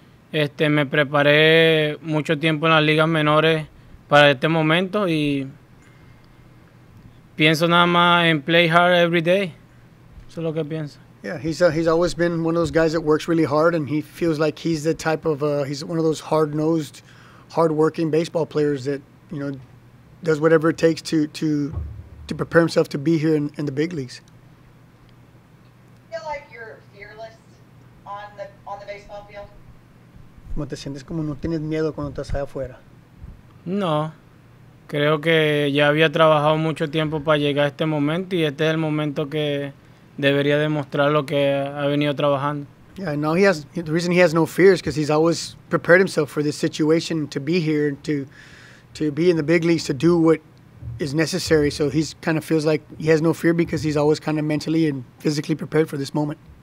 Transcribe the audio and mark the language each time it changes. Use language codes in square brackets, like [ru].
[es] Me preparé mucho tiempo en las ligas menores para este momento y pienso nada más en [en] play hard every day. [es] Eso es lo que pienso. [en] Yeah, he's always been one of those guys that works really hard, and he feels like he's the type of he's one of those hard-nosed, hard-working baseball players that, you know, does whatever it takes to prepare himself to be here in the big leagues. Feel like you're fearless on the baseball field. [es] ¿Cómo te sientes, como no tienes miedo cuando estás allá afuera? No. Creo que ya había trabajado mucho tiempo para llegar a este momento, y este es el momento que debería demostrar lo que ha venido trabajando. [en] Yeah, and now the reason he has no fear is because he's always prepared himself for this situation to be here, to be in the big leagues, to do what is necessary. So he's kind of feels like he has no fear because he's always kind of mentally and physically prepared for this moment.